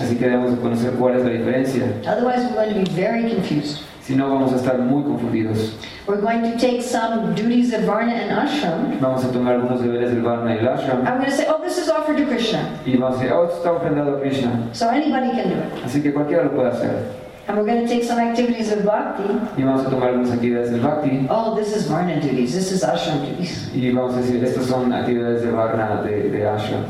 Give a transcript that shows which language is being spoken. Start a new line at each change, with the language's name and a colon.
Spanish: Así que debemos conocer cuál es la diferencia.
English: Otherwise, we're going to be very confused.
Spanish: Si no, vamos a estar muy confundidos.
English: We're going to take some duties of Varna and Ashram.
Spanish: Vamos a tomar algunos deberes del Varna y el Ashram.
English: I'm going to say, oh, this is offered to Krishna.
Spanish: Y vamos a decir, oh, está ofrendado a Krishna.
English: So anybody can do it.
Spanish: Así que cualquiera lo puede hacer.
English: And we're going to take some activities of Bhakti.
Spanish: Y vamos a tomar algunas actividades del Bhakti.
English: Oh, this is Varna duties, this is Ashram duties.
Spanish: Y vamos a decir, estas son actividades de Varna, de Ashram.